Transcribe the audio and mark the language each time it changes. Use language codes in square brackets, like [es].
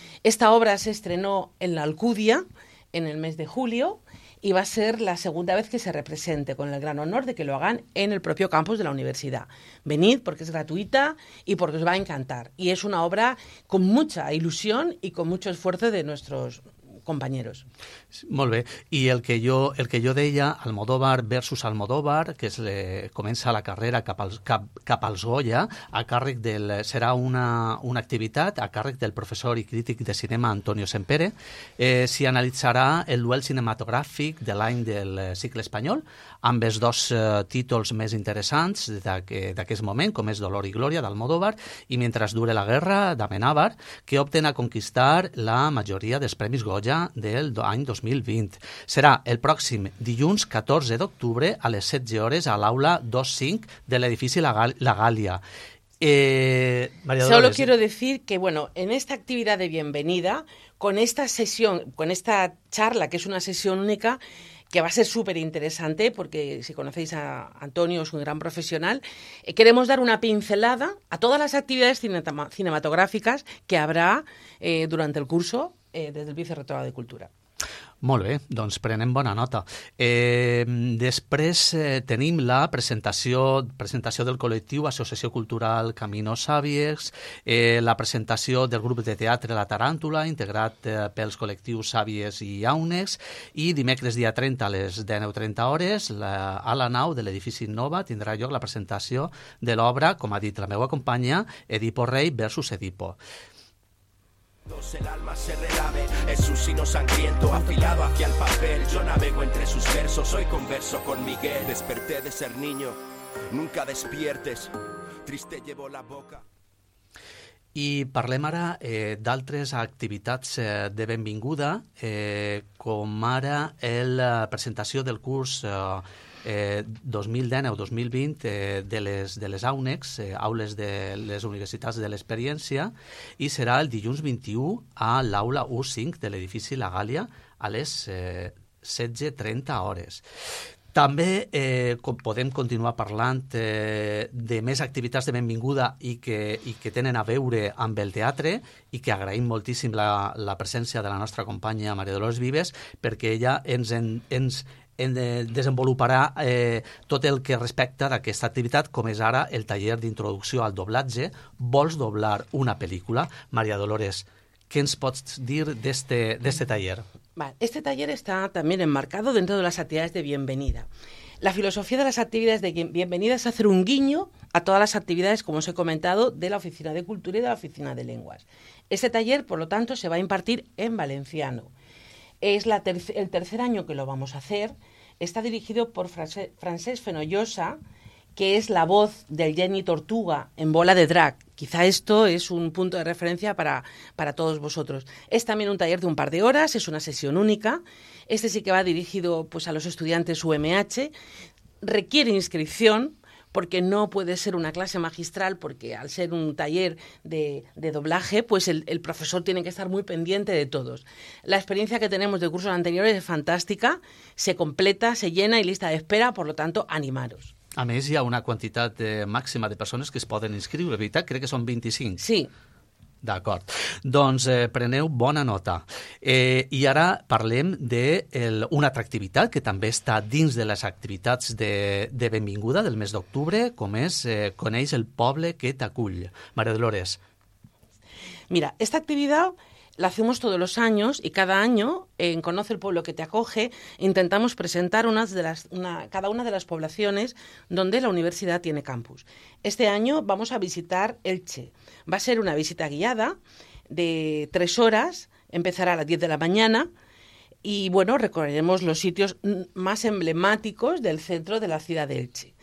[es] Esta obra se estrenó en la Alcudia en el mes de julio y va a ser la segunda vez que se represente, con el gran honor de que lo hagan en el propio campus de la universidad. Venid porque es gratuita y porque os va a encantar. Y es una obra con mucha ilusión y con mucho esfuerzo de nuestros compañeros. [ca] Molt bé. I el que jo deia, Almodóvar versus Almodóvar, que comença la carrera cap als Goya, serà una activitat a càrrec del professor i crític de cinema Antonio Sempere. S'hi analitzarà el duel cinematogràfic de l'any del cicle espanyol, amb els dos títols més interessants d'aquest moment, com és Dolor i Glòria d'Almodóvar i Mentre dure la guerra d'Amenábar, que opten a conquistar la majoria dels premis Goya del any 2020. Serà el pròxim dilluns 14 d'octubre a les 16 hores a l'aula 2-5 de l'edifici La Gàlia. María Dolores. [es] Solo quiero decir que, bueno, en esta actividad de bienvenida, con esta sesión, con esta charla, que es una sesión única, que va a ser súper interesante, porque si conocéis a Antonio, es un gran profesional, queremos dar una pincelada a todas las actividades cinematográficas que habrá durante el curso [ca] des del Vicerrectorat de Cultura. Molt bé, doncs prenem bona nota. Després tenim la presentació del col·lectiu Associació Cultural Camino Sàviers, la presentació del grup de teatre La Taràntula, integrat pels col·lectius Sàviers i Aunex, i dimecres dia 30 a les 10:30 hores a la nau de l'edifici Nova tindrà lloc la presentació de l'obra, com ha dit la meva companya, Edipo Rei versus Edipo. [es] El alma se relame, es un sino sangriento afilado hacia el papel. Yo navego entre sus versos, hoy converso con Miguel. Desperté de ser niño, nunca despiertes, triste llevo la boca. [ca] I parlem ara d'altres activitats de benvinguda, com ara la presentació del curs 2019-2020 de les AUNEX, Aules de les Universitats de l'Experiència, i serà el dilluns 21 a l'aula U5 de l'edifici La Gàlia a les 16:30 hores. També podem continuar parlant de més activitats de benvinguda i que tenen a veure amb el teatre, i que agraïm moltíssim la presència de la nostra companya Maria Dolors Vives, perquè ella desenvoluparà tot el que respecta d'aquesta activitat, com és ara el taller d'introducció al doblatge Vols doblar una pel·lícula? Maria Dolores, què ens pots dir d'este taller? [es] Este taller está también enmarcado dentro de las actividades de bienvenida. La filosofía de las actividades de bienvenida es hacer un guiño a todas las actividades, como os he comentado, de la Oficina de Cultura y de la Oficina de Lenguas. Este taller, por lo tanto, se va a impartir en valenciano. Es el tercer año que lo vamos a hacer. Está dirigido por Francesc Fenollosa, que es la voz del Jenny Tortuga en Bola de Drag. Quizá esto es un punto de referencia para todos vosotros. Es también un taller de un par de horas, es una sesión única. Este sí que va dirigido pues a los estudiantes UMH. Requiere inscripción, porque no puede ser una clase magistral, porque al ser un taller de doblaje, pues el profesor tiene que estar muy pendiente de todos. La experiencia que tenemos de cursos anteriores es fantástica, se completa, se llena y lista de espera, por lo tanto, animaros. [ca] A més, hi ha una quantitat màxima de persones que es poden inscriure, veritat? Crec que són 25. Sí. D'acord. Doncs preneu bona nota. I ara parlem d'una altra activitat que també està dins de les activitats de benvinguda del mes d'octubre, com és Coneix el poble que t'acull. Maria Dolores. [es] Mira, esta actividad la hacemos todos los años y cada año, en Conoce el pueblo que te acoge, intentamos presentar cada una de las poblaciones donde la universidad tiene campus. Este año vamos a visitar Elche. Va a ser una visita guiada de 3 horas, empezará a las 10 de la mañana y, bueno, recorreremos los sitios más emblemáticos del centro de la ciudad de Elche.